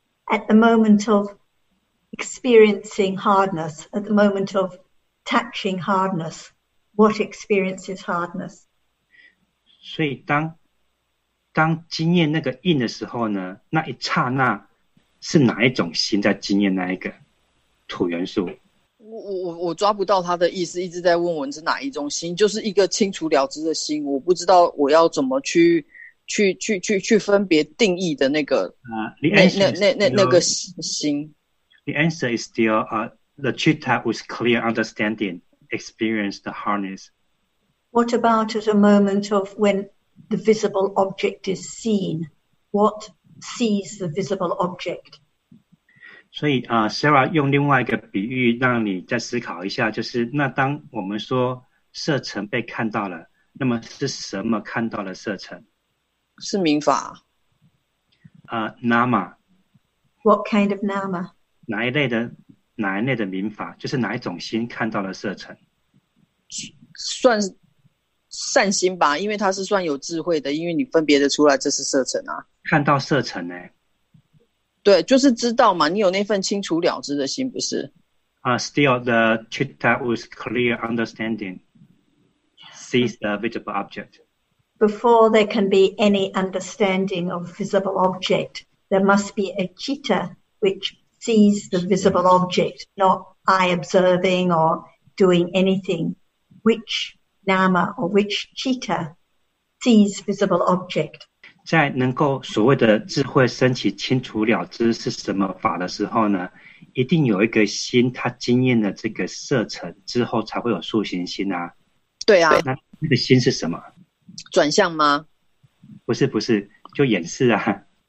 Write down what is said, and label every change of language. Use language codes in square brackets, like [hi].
[en] At the moment of experiencing hardness, at the moment of touching hardness, what experiences hardness? [zh] 所以当经验那个硬的时候呢，那一刹那是哪一种心在经验那一个土元素？我抓不到他的意思，一直在问我是哪一种心，就是一个清楚了知的心，我不知道我要怎么去分别定义的那个心。 [en] The answer is still the chitta with clear understanding experience the hardness. What about at a moment of when the visible object is seen? What sees the visible object? [zh] 所以啊、Sarah 用另外一个比喻让你再思考一下，就是那当我们说色尘被看到了，那么是什么看到了色尘？是明法。 [en] Nama。 What kind of nama？ [zh] 哪一类的明法？就是哪一种心看到了色尘？算善心吧，因为它是算有智慧的，因为你分别的出来这是色尘啊。看到色尘呢？对，就是知道嘛，你有那份清楚了知的心，不是？ [en] Still the chitta with clear understanding sees the visible object. Before there can be any understanding of visible object, there must be a chitta which sees the visible object, not I observing or doing anything. Which nama or which chitta sees visible object? [zh] 在能够所谓的智慧升起清楚了知是什么法的时候呢，一定有一个心他经验了这个色尘之后才会有塑形心啊。对啊，那那个心是什么？转向吗？不是不是，就眼识啊。